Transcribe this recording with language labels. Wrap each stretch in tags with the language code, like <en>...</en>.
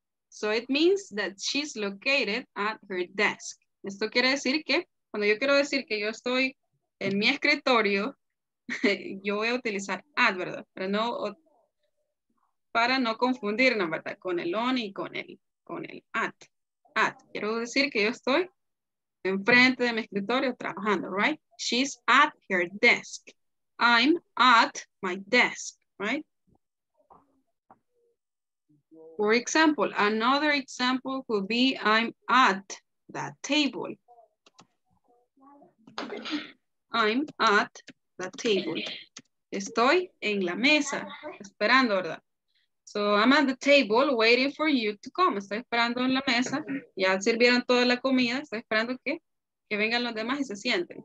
<en>So it means that she's located at her desk.</en> <es>Esto quiere decir que cuando yo quiero decir que yo estoy en mi escritorio, yo voy a utilizar at, ¿verdad? Para no confundirnos, ¿verdad? Con el on y con el at. At. Quiero decir que yo estoy enfrente de mi escritorio trabajando,</es> <en>right? She's at her desk. I'm at my desk, right? For example, another example could be I'm at the table. I'm at the table.</en> <es>Estoy en la mesa, esperando, ¿verdad?</es> <en>So I'm at the table waiting for you to come.</en> <es>Estoy esperando en la mesa. Ya sirvieron toda la comida. Estoy esperando que vengan los demás y se sienten.</es>